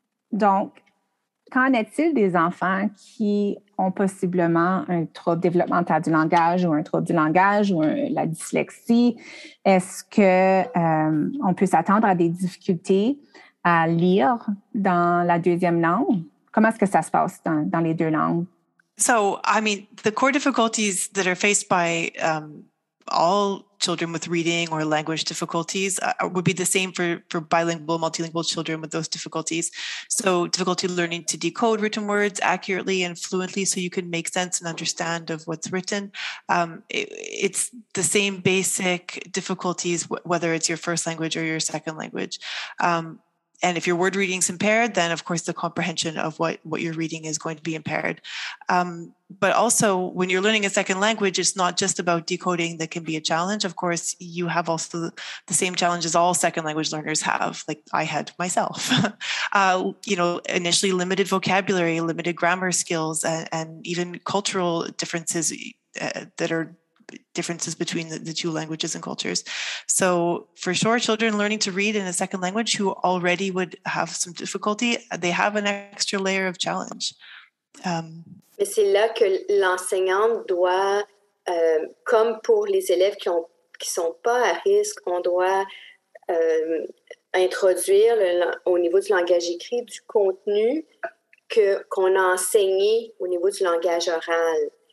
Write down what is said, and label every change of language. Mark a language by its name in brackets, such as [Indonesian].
[French] Donc, qu'en est-il des enfants qui ont possiblement un trouble développemental du langage ou un trouble du langage ou la dyslexie? Est-ce que on peut s'attendre à des difficultés à lire dans la deuxième langue? Comment est-ce que ça se passe dans les deux langues? [English] So, I mean, the core difficulties that are faced by all children with reading or language difficulties would be the same for bilingual, multilingual children with those difficulties. So difficulty learning to decode written words accurately and fluently so you can make sense and understand of what's written. It's the same basic difficulties, whether it's your first language or your second language. And if your word reading is impaired, then of course the comprehension of what you're reading is going to be impaired. But also when you're learning a second language, it's not just about decoding that can be a challenge. Of course, you have also the same challenges all second language learners have, like I had myself. initially limited vocabulary, limited grammar skills, and even cultural differences that are differences between the two languages and cultures. So for sure, children learning to read in a second language who already would have some difficulty, they have an extra layer of challenge. [French] Mais c'est là que l'enseignante doit, comme pour les élèves qui sont pas à risque, on doit introduire au niveau du langage écrit du contenu qu'on a enseigné au niveau du langage oral.